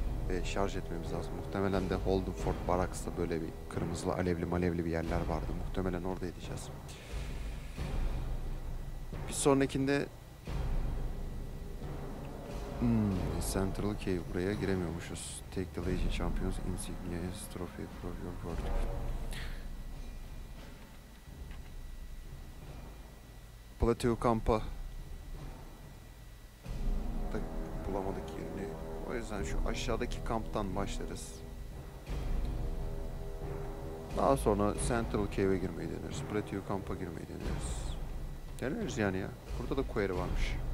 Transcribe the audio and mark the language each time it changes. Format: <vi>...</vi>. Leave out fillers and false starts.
<tr>Ve şarj etmemiz lazım. Muhtemelen de Holdenfort Barracks'ta böyle bir kırmızılı alevli malevli bir yerler vardı. Muhtemelen orada edeceğiz. Bir sonrakinde... Central Cave. Buraya giremiyormuşuz.</tr> <en>Take the Legion Champions Insignia Trophy for your world.</en> <tr>Plateau Camp'a da bulamadık yerini. O yüzden şu aşağıdaki kamptan başlarız. Daha sonra Central Cave'e girmeyi deneriz. Plateau Camp'a girmeyi deneriz. Deneriz yani ya. Burada da query varmış.</tr>